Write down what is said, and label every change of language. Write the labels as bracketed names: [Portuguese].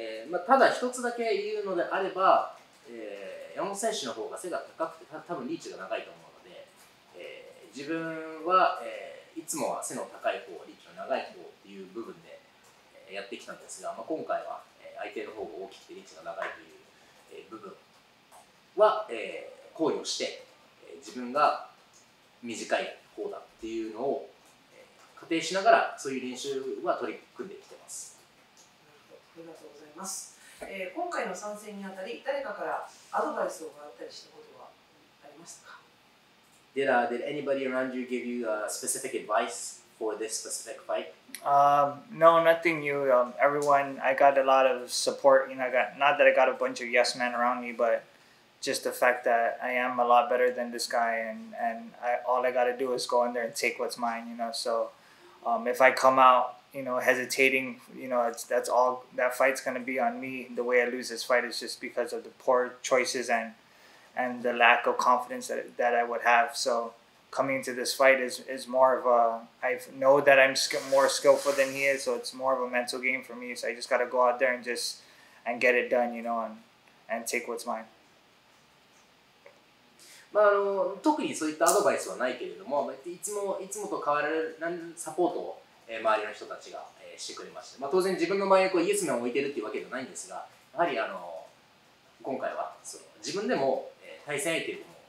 [Japanese] まあ、ただ一つだけ言うのであれば、山本選手の方が背が高くて多分リーチが長いと思うので、自分は、いつもは背の高い方、リーチの長い方っていう部分でやってきたんですが、まあ、今回は相手の方が大きくてリーチが長いという部分は考慮して自分が短い方だっていうのを仮定しながらそういう練習は取り組んできてます。ありがとうございます。今回の参戦にあたり誰かからアドバイスをもらったりしたことはありましたか？ [English] Did anybody around you give you specific advice for this specific fight? No, nothing new. Everyone, I got a lot of support. You know, not that I got a bunch of yes men around me, but just the fact that I am a lot better than this guy, and all I got to do is go in there and take what's mine. You know, so if I come out, you know, hesitating, you know, that fight's gonna be on me. The way I lose this fight is just because of the poor choices and the lack of confidence that I would have. So coming into this fight is more of a, I know that I'm more skillful than he is, so it's more of a mental game for me. So I just got to go out there and get it done, you know, and take what's mine. [Japanese] まあ、特にそういったアドバイスはないけれども、いつもと変わらないサポートを、周りの人たちが、してくれまして、まあ、当然自分の前にこうイエスメンを置いてるっていうわけではないんですが、やはり今回はその自分でも対戦相手